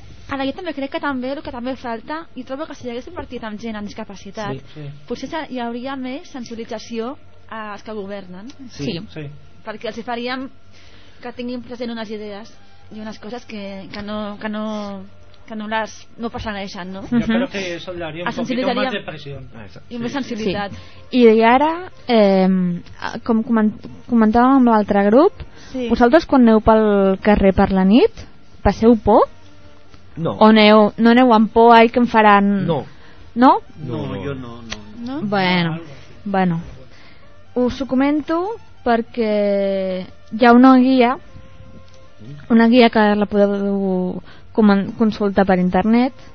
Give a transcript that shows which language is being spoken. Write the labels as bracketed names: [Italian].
[Catalan] Ara, jo també crec que també el que també falta, i trobo que si hi hagués un partit amb gent amb discapacitat, sí. Potser hi hauria més sensibilització als que governen. Sí. Sí. Perquè els faríem que tinguin present unes idees. [Spanish] hay unas cosas que no las no personalizan, ¿no? Yo creo que eso le haría un poquito más de presión. Y más sensibilidad. [Catalan] Sí. I ara, com comentàvem amb l'altre grup, sí. Vosaltres quan aneu pel carrer per la nit, passeu por? No. O aneu, no aneu amb por, ai, que em faran... No. No? No, no, jo no. No? No? Bueno, bueno. Us ho comento perquè hi ha una guia que la podeu consultar per internet.